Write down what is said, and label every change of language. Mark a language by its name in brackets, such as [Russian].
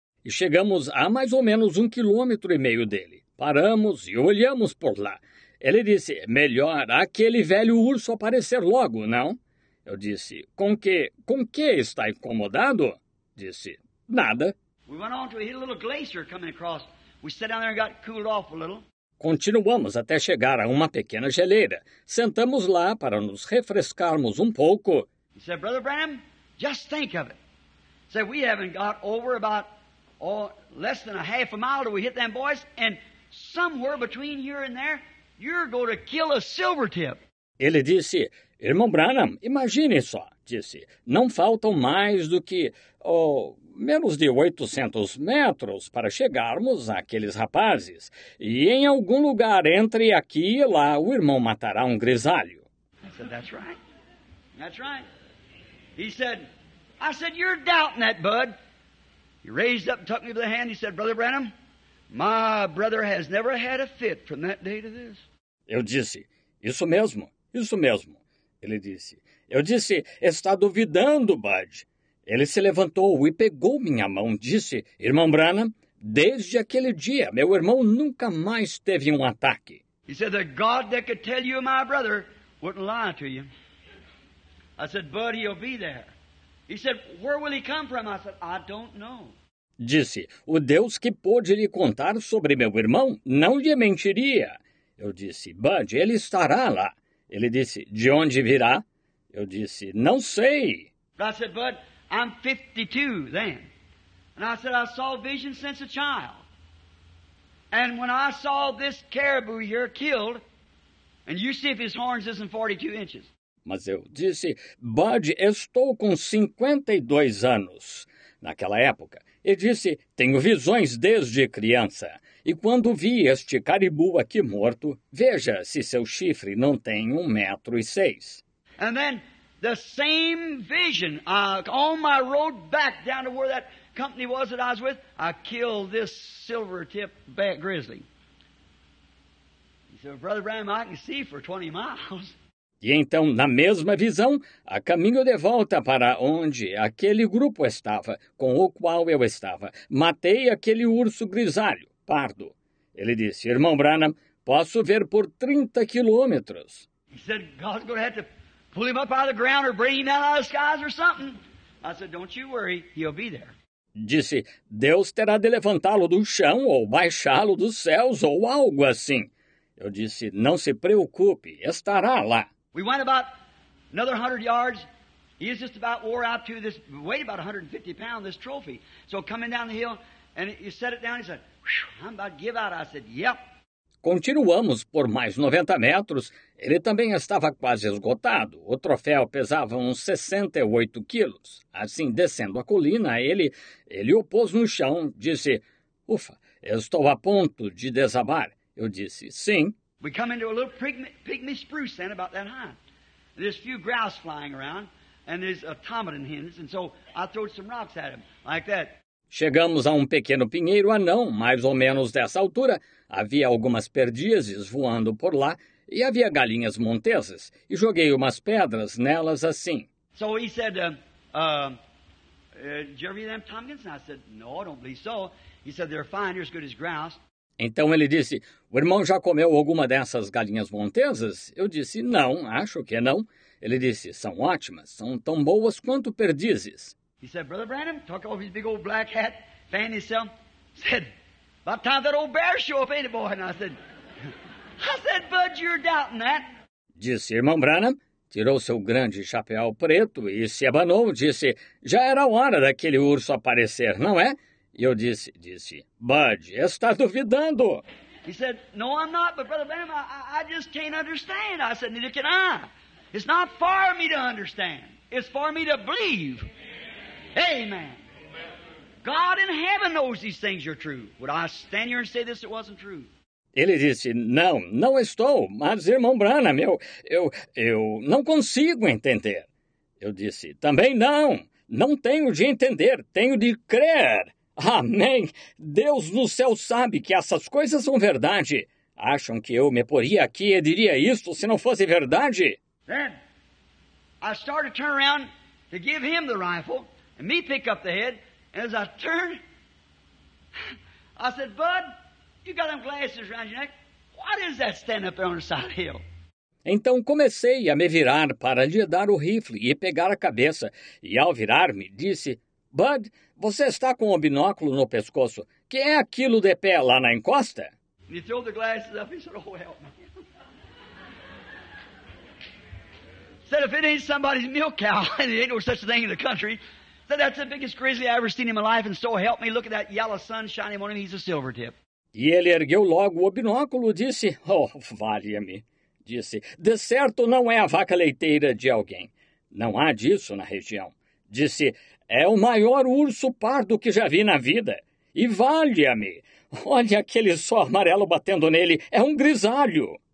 [Portuguese] E chegamos a mais ou menos 1,5 quilômetros dele. Paramos e olhamos por lá. Ele disse, melhor aquele velho urso aparecer logo, não? Eu disse, com que está incomodado? Disse, nada. [English] We went on to a little glacier coming across. We sat down there and got cooled off a little. [Portuguese] Continuamos até chegar a uma pequena geleira. Sentamos lá para nos refrescarmos pouco. [English] He said, Brother Branham, just think of it. He said, we haven't got over about less than a half a mile till we hit them boys, and somewhere between here and there, you're going to kill a silver tip. [Portuguese] Ele disse, irmão Branham, imagine só, disse, não faltam mais do que, menos de 800 metros para chegarmos àqueles rapazes, e em algum lugar entre aqui e lá, o irmão matará um grisalho. [English] I said, that's right. That's right. He said, I said, you're doubting that, bud. He raised up and took me by the hand. He said, Brother Branham, my brother has never had a fit from that day to this. [Portuguese] Eu disse, isso mesmo, isso mesmo. Ele disse, eu disse, está duvidando, bud. Ele se levantou e pegou minha mão. Disse, irmão Branham, desde aquele dia, meu irmão nunca mais teve ataque. [English] He said, the God that could tell you my brother wouldn't lie to you. I said, bud, he'll be there. He said, where will he come from? I said, I don't know. [Portuguese] Disse, o Deus que pôde lhe contar sobre meu irmão não lhe mentiria. Eu disse, bud, ele estará lá. Ele disse, de onde virá? Eu disse, não sei. [English] I said, bud, I'm 52 then. And I said, I saw vision since a child. And when I saw this caribou here killed, and you see if his horns isn't 42 inches. [Portuguese] Mas eu disse, Bud, estou com 52 anos naquela época. E disse, tenho visões desde criança. E quando vi este caribu aqui morto, veja se seu chifre não tem 1,06 metros. [English] And then, the same vision, on my road back down to where that company was that I was with, I killed this silver-tipped grizzly. He said, Brother Bram, I can see for 20 miles. [Portuguese] E então, na mesma visão, a caminho de volta para onde aquele grupo estava, com o qual eu estava, matei aquele urso grisalho, pardo. Ele disse, irmão Branham, posso ver por 30 quilômetros. [English] He said, God's going to have to pull him up out of the ground or bring him out of the skies or something. I said, don't you worry, he'll be there. [Portuguese] Disse, Deus terá de levantá-lo do chão ou baixá-lo dos céus ou algo assim. Eu disse, não se preocupe, estará lá. [English] We went about another 100 yards. He is just about wore out to this, weighed about 150 pounds, this trophy. So coming down the hill, and he set it down, he said, I'm about to give out. I said, yep. [Portuguese] Continuamos por mais 90 metros. Ele também estava quase esgotado. O troféu pesava uns 68 quilos. Assim, descendo a colina, ele o pôs no chão, disse, ufa, estou a ponto de desabar. Eu disse, sim. [English] We come into a little pygmy spruce then, about that high. There's a few grouse flying around. And there's automaton hens, and so I throw some rocks at him, like that. [Portuguese] Chegamos a um pequeno pinheiro anão, mais ou menos dessa altura. Havia algumas perdizes voando por lá, e havia galinhas montesas. E joguei umas pedras nelas assim. [English] So he said, do you ever eat them ptarmigans? And I said, no, I don't believe so. He said, they're fine, they're as good as grouse. [Portuguese] Então ele disse, o irmão já comeu alguma dessas galinhas montesas? Eu disse, não, acho que não. Ele disse, são ótimas, são tão boas quanto perdizes. [English] He said, Brother Branham, took off his big old black hat, fanned himself, said, about time that old bear show up, ain't it, boy? And I said, Bud, you're doubting that. [Portuguese] Disse, irmão Branham, tirou seu grande chapéu preto e se abanou, disse, já era hora daquele urso aparecer, não é? E eu disse, Bud, está duvidando. [English] He said, no, I'm not, but Brother Branham, I just can't understand. I said, neither can I. It's not for me to understand. It's for me to believe. Amen. Amen. God in heaven knows these things are true. Would I stand here and say this, it wasn't true? [Portuguese] Ele disse, não estou. Mas, irmão Branham, eu não consigo entender. Eu disse, também não. Não tenho de entender. Tenho de crer. Amém. Deus no céu sabe que essas coisas são verdade. Acham que eu me poria aqui e diria isto se não fosse verdade? [English] Then I started to turn around to give him the rifle and me pick up the head. And as I turned, I said, Bud, you got them glasses around your neck. What is that standing up there on the side of the hill? [Portuguese] Então comecei a me virar para lhe dar o rifle e pegar a cabeça. E ao virar-me, disse, Bud, você está com o binóculo no pescoço. Que é aquilo de pé lá na encosta? [English] And he threw the glasses up. He said, oh, help me. Said, if it ain't somebody's milk cow, and there ain't no such thing in the country. Said, that's the biggest grizzly I ever seen in my life, and so help me, look at that yellow sun shining on him, he's a silver tip. [Portuguese] E ele ergueu logo o binóculo e disse, oh, valha-me. Disse, de certo não é a vaca leiteira de alguém. Não há disso na região. Disse, é o maior urso pardo que já vi na vida. E valha-me, olha aquele sol amarelo batendo nele, é um grisalho.